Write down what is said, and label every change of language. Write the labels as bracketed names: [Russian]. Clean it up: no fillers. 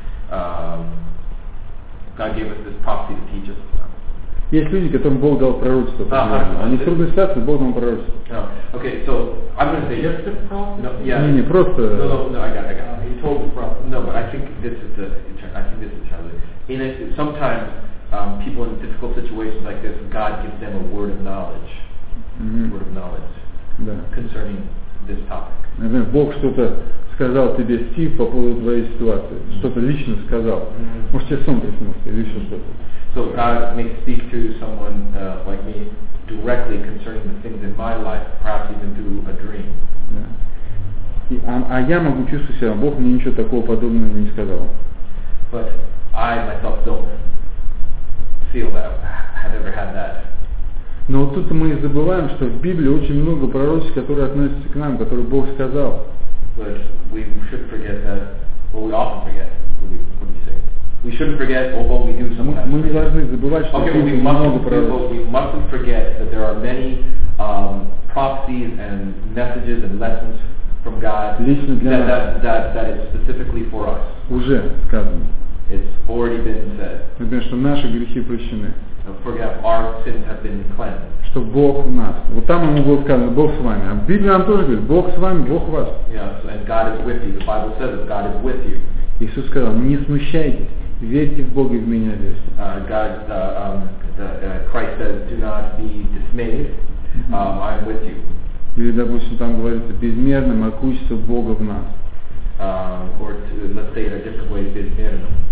[English] God gave us this prophecy to teach us. [Russian] Есть люди, которым Бог дал пророчество. Они в трудной ситуации, Бог дал пророчество. [English] Okay, so I'm going to say just a prophecy. No, yeah. [Russian] Не, просто. [English] No, I got. He told the prophecy. No, but I think this is the challenge. In it, sometimes people in difficult situations like this, God gives them a word of knowledge. Mm-hmm. Word of knowledge. [Russian] Да. [English] Concerning this topic. [Russian] Например, Бог что-то сказал тебе Стив по поводу твоей ситуации, что-то лично сказал. Mm-hmm. Может, тебе сон приснулся или еще что-то. [English] So God may speak to someone like me directly concerning the things in my life, perhaps even through a dream. Yeah. [Russian] А я могу чувствовать себя, Бог мне ничего такого подобного не сказал. [English] But I myself don't feel that, have ever had that. [Russian] Но вот тут мы и забываем, что в Библии очень много пророчеств, которые относятся к нам, которые Бог сказал. [English] But we should forget that, well, we often forget, what do you say? We shouldn't forget, although we do sometimes. [Russian] Мы не должны забывать, что [English] okay, [Russian] Библии много пророчеств. [English] Okay, we mustn't forget that there are many prophecies and messages and lessons from God that is specifically for us. [Russian] Уже сказано. [English] It's already been said. [Russian] Например, что наши грехи прощены. [English] Forget our sins have been cleansed. [Russian] Что Бог в нас. Вот там ему было сказано, Бог с вами. А Библия нам тоже говорит, Бог с вами, Бог в вас. [English] Yes, and God is with you. The Bible says that God is with you. [Russian] Иисус сказал, не смущайтесь, верьте в Бога и в меня верьте. [English] Christ says, do not be dismayed. I am with you. [Russian] Или, допустим, там говорится, безмерно могущество Бога в нас. [English] Let's say it a different way, [Russian] безмерно.